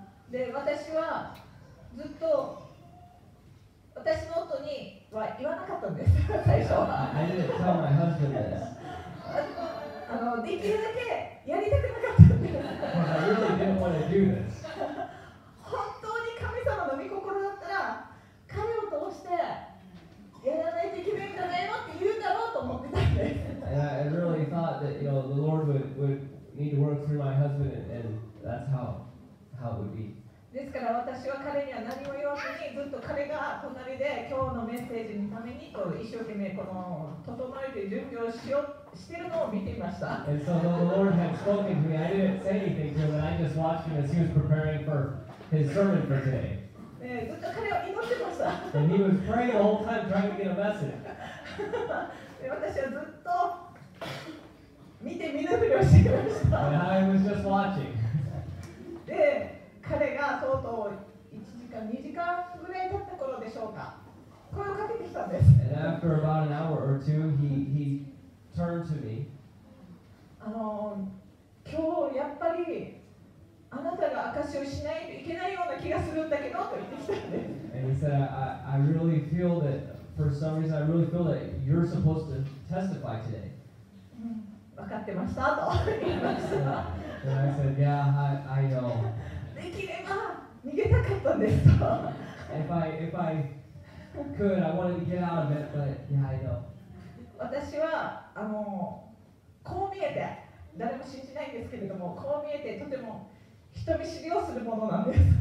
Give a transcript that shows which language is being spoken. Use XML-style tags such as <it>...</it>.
<ja>で、私はずっと私の夫には言わなかったんです、最初は。</ja> <en>I didn't tell my husband this.</en> <ja>できるだけやりたくなかったんです。</ja> <en>Well, I really didn't want to do this.</en> <ja>本当に神様の御心だったら、彼を通してやらないといけないんじゃないのって言うだろうと思ってたんです。</ja> <en>Yeah, I really thought that, you know, the Lord would need to work through my husband, and that's how it would be.</en> <ja>ですから私は彼には何も言わずにずっと彼が隣で今日のメッセージのためにと一生懸命この整えて準備をしているのを見ていました。</ja> <en>And so the Lord had spoken to me. I didn't say anything to him, and I just watched him as he was preparing for his sermon for today.</en> <ja>ずっと彼は祈ってました。</ja> <en>And he was praying the whole time trying to get a message.</en> <ja>私はずっと見て見ぬふりをしていました。</ja> <en>And I was just watching.</en> <ja>で、彼がとうとう1時間、2時間ぐらい経った頃でしょうか。声をかけてきたんです。</ja> <en>And after about an hour or two, he turned to me.</en> <ja>今日やっぱりあなたが証しをしないといけないような気がするんだけどと言ってきたんです。</ja> <en>And he said, I really feel that for some reason, I really feel that you're supposed to testify today.</en> <ja>分かってましたと言いました。</ja> <en>And I said, yeah, I know.</en> <ja>できれば逃げたかったんですと。</ja> <en>If I could, I wanted to get out of it, but yeah, I know.</en> <ja>私はこう見えて、誰も信じないんですけれども、こう見えてとても人見知りをするものなんです。</ja>